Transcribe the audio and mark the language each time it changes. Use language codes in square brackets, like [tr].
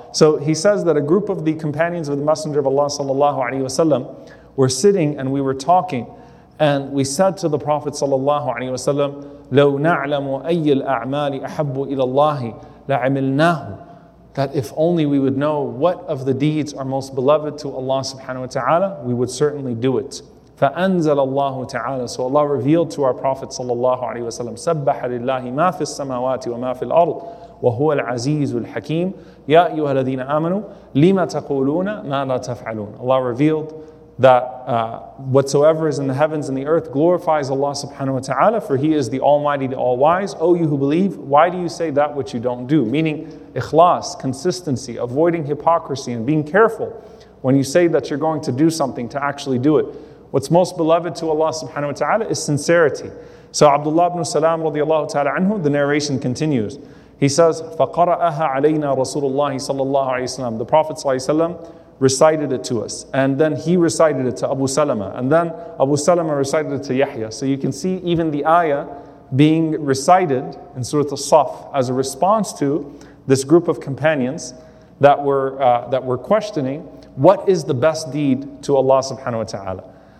[en] So he says that a group of the companions of the Messenger of Allah sallallahu alayhi wa sallam were sitting and we were talking, and we said to the Prophet sallallahu alayhi wa sallam, [ar] لَوْ نَعْلَمُ أَيِّ الْأَعْمَالِ أَحَبُّ إِلَى اللَّهِ لَعَمِلْنَاهُ. [en] That if only we would know what of the deeds are most beloved to Allah subhanahu wa ta'ala, we would certainly do it. [ar] فَأَنزَلَ اللَّهُ تَعَالَى. [en] So Allah revealed to our Prophet sallallahu alayhi wa sallam, [ar] سَبَّحَ لِلَّهِ مَا فِي السَّمَاوَاتِ وَمَا فِي الْأَرْضِ وَهُوَ الْعَزِيزُ الْحَكِيمُ يَا أَيُّهَا الَّذِينَ آمَنُوا لِمَ تَقُولُونَ مَا لَا تَفْعَلُونَ. [en] Allah revealed that whatsoever is in the heavens and the earth glorifies Allah subhanahu wa ta'ala, for He is the Almighty, the All-Wise. O you who believe, why do you say that which you don't do? Meaning ikhlas, consistency, avoiding hypocrisy, and being careful when you say that you're going to do something to actually do it. What's most beloved to Allah subhanahu wa ta'ala is sincerity. So Abdullah ibn Salam radiallahu ta'ala anhu, the narration continues. He says, [ar] فَقَرَأَهَا عَلَيْنَا رَسُولُ اللَّهِ صَلَّى اللَّهُ عَلَيْهِ وَسَلَّمَ. [en] The Prophet ﷺ recited it to us. And then he recited it to Abu Salama. And then Abu Salama recited it to Yahya. So you can see even the ayah being recited in Surah As-Saff as a response to this group of companions that were questioning, what is the best deed to Allah subhanahu wa ta'ala?